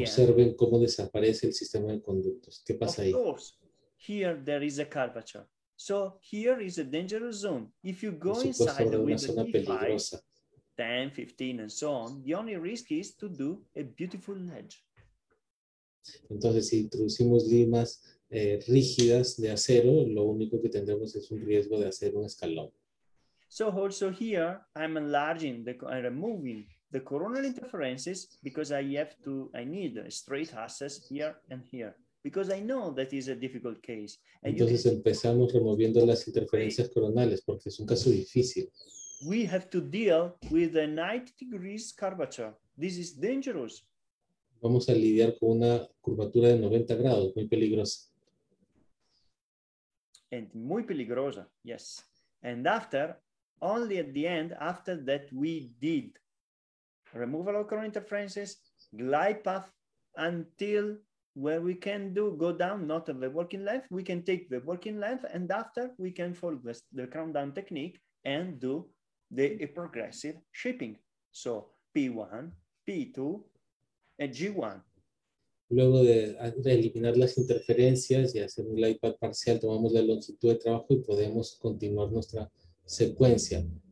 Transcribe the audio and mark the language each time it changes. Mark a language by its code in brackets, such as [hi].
[es] observen end? Cómo desaparece el sistema de conductos. ¿Qué pasa [en] of Course, here there is a curvature. So here is a dangerous zone. If you go inside with the device, 10, 15, and so on, the only risk is to do a beautiful ledge. [es] Entonces, si introducimos limas rígidas de acero, lo único que tendremos es un riesgo de hacer un escalón. [en] So also here, I'm enlarging and removing the coronal interferences because I need a straight access here and here because I know that is a difficult case. And [es] entonces, empezamos removiendo las interferencias coronales porque es un caso difícil. [en] We have to deal with a 90 degrees curvature. This is dangerous. [es] vamos a lidiar con una curvatura de 90 grados, muy peligrosa. [en] And [es] muy peligrosa, [en] yes. And after, only at the end, after that we did removal of coronal interferences, glide path until where we can do, go down, not at the working length, we can take the working length, and after we can follow the crown down technique and do the progressive shaping. So P1, P2, and G1. [es] Luego de eliminar las interferencias y hacer un glide path parcial, tomamos la longitud de trabajo y podemos continuar nuestra secuencia.